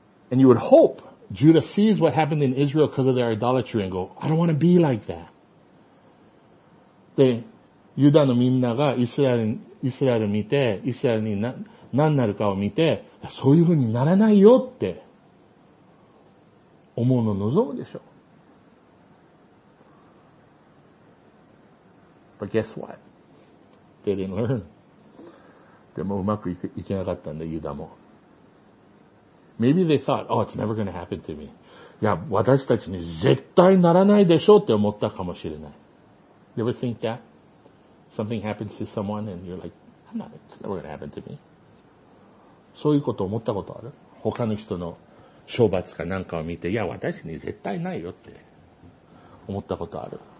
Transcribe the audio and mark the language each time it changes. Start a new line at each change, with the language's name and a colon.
English: And you would hope Judah sees what happened in Israel because of their idolatry and go, I don't want to be like that.
Japanese: で、ユダのみんながイスラエル見て、イスラエルに何なるかを見て、そういう風にならないよって思うの望むでしょう。
English: But guess what? They didn't learn.
Japanese: でもうまくいけなかったんだ、ユダも。
English: Maybe they thought, oh, it's never going to happen to me.
Japanese: いや、私たちに絶対ならないでしょうって思ったかもしれない。
English: You ever think that? Something happens to someone and you're like, it's never going to happen to me.
Japanese: そういうこと思ったことある？他の人の懲罰かなんかを見て、いや、私に絶対ないよって思ったことある？